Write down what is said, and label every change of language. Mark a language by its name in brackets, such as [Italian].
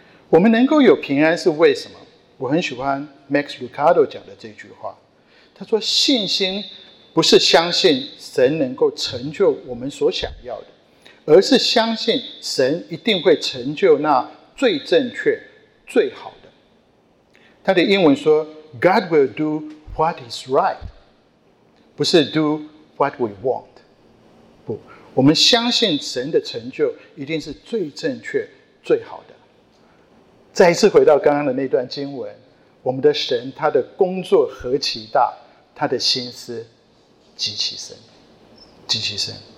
[Chinese] 我们能够有平安是为什么？我很喜欢 Max Lucado 讲的这句话，他说，信心不是相信神能够成就我们所想要的，而是相信神一定会成就那最正确最好的。他的英文说 [English] God will do what is right， [Chinese] 不是 [English] do what we want。 [Chinese] 不，我们相信神的成就一定是最正确最好的。再一次回到刚刚的那段经文，我们的神他的工作何其大，他的心思极其深，极其深。